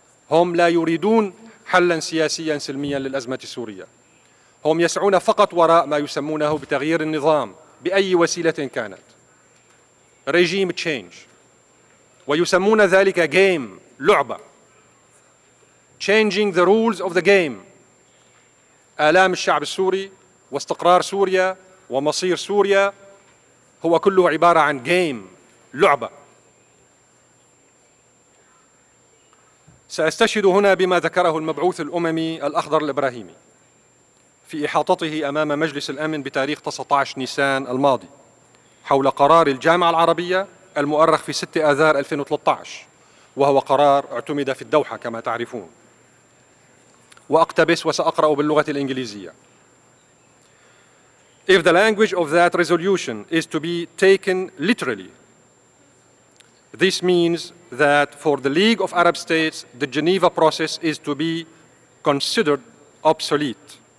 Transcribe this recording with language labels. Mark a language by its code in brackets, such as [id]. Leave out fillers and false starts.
[ar] هم لا يريدون حلاً سياسياً سلمياً للأزمة السورية، هم يسعون فقط وراء ما يسمونه بتغيير النظام بأي وسيلة كانت، [en] regime change، [ar] ويسمون ذلك game, لعبة. [en] Changing the rules of the game. [ar] آلام الشعب السوري واستقرار سوريا ومصير سوريا هو كله عبارة عن game, لعبة. سأستشهد هنا بما ذكره المبعوث الأممي الأخضر الإبراهيمي في إحاطته أمام مجلس الأمن بتاريخ 19 نيسان الماضي حول قرار الجامعة العربية المؤرخ في 6 آذار 2013 وهو قرار اعتمد في الدوحة كما تعرفون. وأقتبس وسأقرأ باللغة الإنجليزية. [en] If the language of that resolution is to be taken literally, this means that for the League of Arab States, the Geneva process is to be considered obsolete.